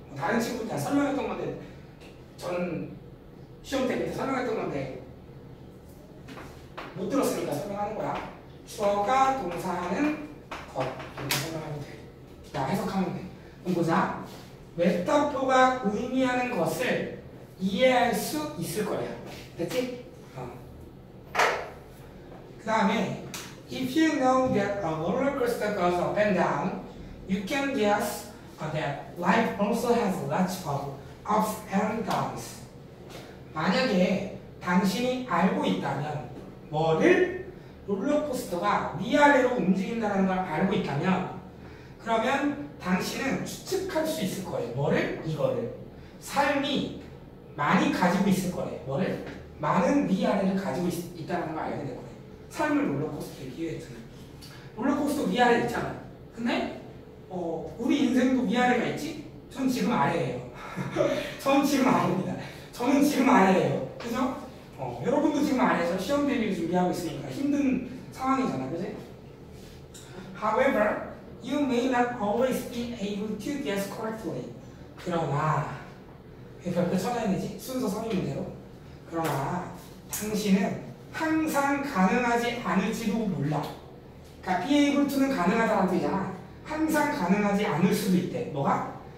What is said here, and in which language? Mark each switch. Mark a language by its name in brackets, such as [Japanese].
[Korean] 다른 친구들 다 설명했던 건데 전 시험 때 밑에 설명했던 건데 못 들었으니까 설명하는 거야. 주어가 동사하는 것 이렇게 설명하면 돼. 나 해석하면 돼. 그럼 보자. 메타포가 의미하는 것을 이해할 수 있을 거야. 됐지? [English] 그 다음에 If you know that a roller coaster goes up and down, you can guess that life also has lots of ups and downs. [Korean] 만약에 당신이 알고 있다면 뭐를? 롤러코스터가 위아래로 움직인다는 걸 알고 있다면 그러면 당신은 추측할 수 있을 거예요. 뭐를? 이거를. 삶이 많이 가지고 있을 거예요. 뭐를? 많은 위아래를 가지고 있다는 걸 알게 될 거예요. 삶을 롤러코스터에 비유했잖아. 롤러코스터 위아래 있잖아. 근데 우리 인생도 위아래가 있지? 전 지금 아래예요. 전 지금 아래입니다. 저는 지금 아래예요. 그죠? 여러분도 지금 아래에서 시험 대비를 준비하고 있으니까 힘든 상황이잖아. 그지? [English] However, you may not always be able to guess correctly. [Korean] 그러나 왜 별표 쳐야 되지? 순서 성의문제로. 그러나 당신은 항상 가능하지 않을지도 몰라. 그러니까 be able to는 가능하다는 뜻이잖아. 항상 가능하지 않을 수도 있대. 뭐가?